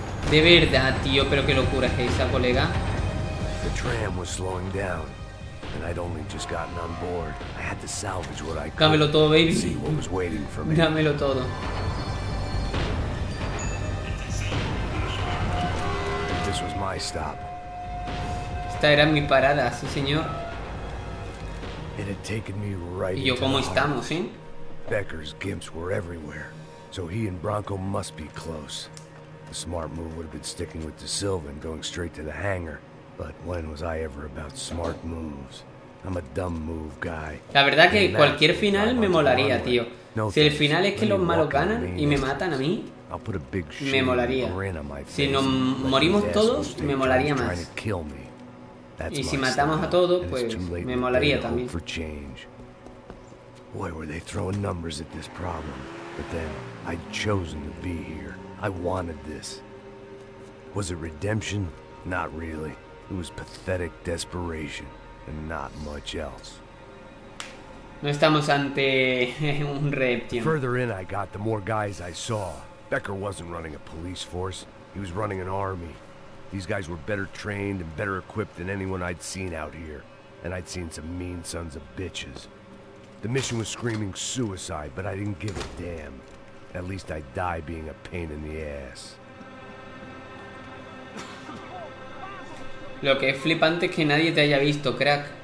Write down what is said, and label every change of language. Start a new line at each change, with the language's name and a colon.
Spanish: De verdad, tío, pero qué locura es esa, colega.
English: The tram was slowing down, and I'd only just gotten on board. I had to salvage what I could.
Spanish: Dámelo todo, baby.
English: See what was waiting for me.
Spanish: Dámelo todo.
English: This was my stop.
Spanish: Esta era mi parada, sí, señor.
English: It had taken me right.
Spanish: ¿Y yo cómo estamos, eh?
English: Becker's gimps were everywhere, so he and Bronco must be close. The smart move would have been sticking with De Silva and going straight to the hangar. But when was I ever about smart moves? I'm a dumb move guy.
Spanish: La verdad que cualquier final me molaría, tío. Si el final es que los malos ganan y me matan a mí, me molaría. Si nos morimos todos, me molaría más. Y si matamos a todos, pues me molaría también.
English: Boy, were they throwing numbers at this problem. But then, I'd chosen to be here. I wanted this. Was it redemption? Not really. It was pathetic desperation and not much else.
Spanish: No estamos ante un reptil.
English: Further in I got, the more guys I saw. Becker wasn't running a police force. He was running an army. These guys were better trained and better equipped than anyone I'd seen out here. And I'd seen some mean sons of bitches. The mission was screaming suicide, but I didn't give a damn. At least I die being a pain in the ass.
Spanish: Lo que es flipante es que nadie te haya visto, crack.